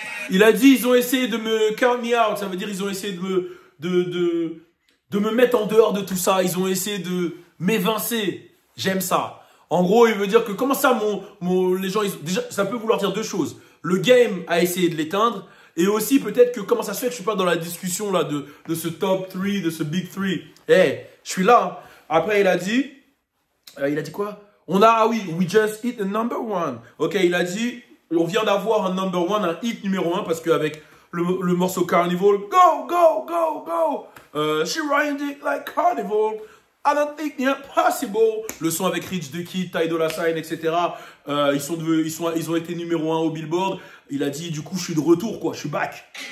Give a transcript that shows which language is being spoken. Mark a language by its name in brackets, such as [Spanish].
[French] Il a dit « ils ont essayé de me [English] count me out [French] », ça veut dire « ils ont essayé de me mettre en dehors de tout ça, ils ont essayé de… » Mais Vincé, j'aime ça. En gros, il veut dire que comment ça, les gens, déjà, ça peut vouloir dire deux choses. Le game a essayé de l'éteindre. Et aussi, peut-être que comment ça se fait que je suis pas dans la discussion là de ce top 3, de ce big 3. Hey, je suis là. Après, il a dit quoi? On a, ah oui, [English] we just hit a number one. [French] Ok, il a dit, on vient d'avoir un number one, un hit numéro un, parce qu'avec le morceau Carnival, go, go, go, go. [English] She riding it like Carnival. I don't think it's impossible. [French] Le son avec Rich The Kid, Ty Dolla Sign, etc. Ils ont été numéro 1 au Billboard. Il a dit, du coup, je suis de retour, quoi. Je suis back.